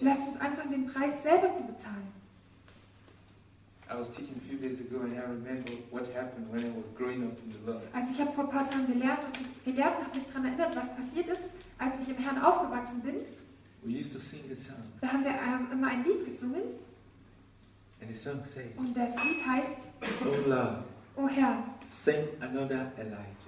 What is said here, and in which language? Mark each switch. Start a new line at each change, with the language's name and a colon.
German: Lass uns anfangen, den Preis selber zu bezahlen.
English: I was teaching a few days ago and I remember what happened when I was growing up in the Lord.
German: Also ich habe vor ein paar Tagen gelehrt und gelehrt und habe mich daran erinnert, was passiert ist, als ich im Herrn aufgewachsen bin.
English: We used to sing a song.
German: Da haben wir immer ein Lied gesungen.
English: And the song says,
German: und das Lied heißt,
English: oh Lord,
German: O Herr,
English: send another Elijah,